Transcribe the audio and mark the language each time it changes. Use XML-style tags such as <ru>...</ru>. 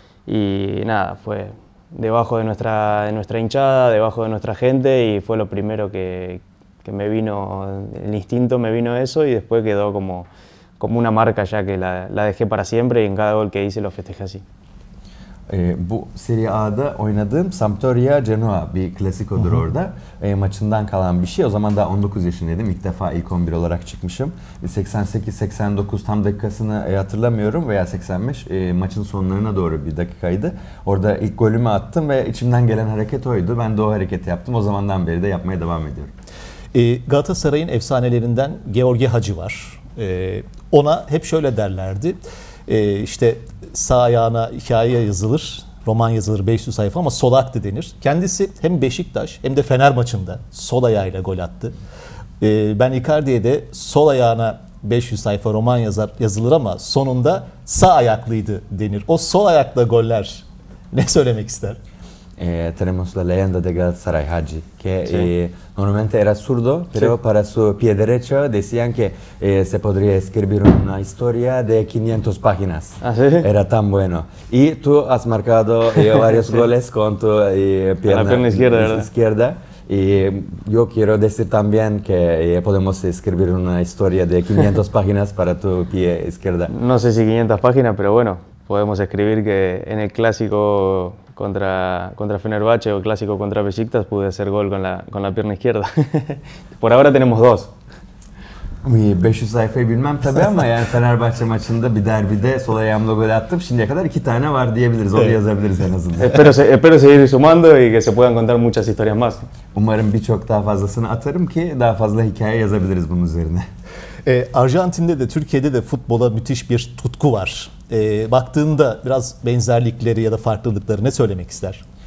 <es>Y nada, fue debajo de nuestra hinchada, debajo de nuestra gente, y fue lo primero que me vino, el instinto me vino eso, y después quedó como una marca ya que la dejé para siempre, y en cada gol que hice lo festejé así.</es> <tr>Bu Serie A'da oynadığım Sampdoria-Genoa bir klasikodur orada. Maçından kalan bir şey. O zaman da 19 yaşındaydım. İlk defa ilk 11 olarak çıkmışım. 88-89 tam dakikasını hatırlamıyorum veya 85 maçın sonlarına doğru bir dakikaydı. Orada ilk golümü attım ve içimden gelen hareket oydu. Ben de o hareketi yaptım. O zamandan beri de yapmaya devam ediyorum. Galatasaray'ın efsanelerinden Gheorghe Hagi var. Ona hep şöyle derlerdi. İşte sağ ayağına hikaye yazılır, roman yazılır 500 sayfa ama solaktı denir. Kendisi hem Beşiktaş hem de Fener maçında sol ayağıyla gol attı. Ben Icardi'ye de sol ayağına 500 sayfa roman yazılır ama sonunda sağ ayaklıydı denir. O sol ayakla goller ne söylemek ister?</tr> <es>Tenemos la leyenda de Galatasaray Hagi, que sí. Normalmente era zurdo, pero sí. Para su pie derecho decían que se podría escribir una historia de 500 páginas. ¿Ah, sí? Era tan bueno. Y tú has marcado varios sí. goles con tu pierna izquierda. Y yo quiero decir también que podemos escribir una historia de 500 páginas para tu pie izquierda. No sé si 500 páginas, pero bueno, podemos escribir que en el clásico contra Fenerbahçe o clásico contra Beşiktaş pude hacer gol con la pierna izquierda. Por ahora tenemos dos.</es> <tr>500 sayfayı bilmem tabii ama yani Fenerbahçe maçında bir derbide sol ayağımla gol attım. Şimdiye kadar iki tane var diyebiliriz. Onu yazabiliriz en azından.</tr> <es>Espero seguir sumando y que se puedan contar muchas historias más.</es> <tr>Umarım birçok daha fazlasını atarım ki daha fazla hikaye yazabiliriz bunun üzerine. Arjantin'de de Türkiye'de de futbola müthiş bir tutku var. Baktığında biraz benzerlikleri ya da farklılıkları ne söylemek ister?</tr>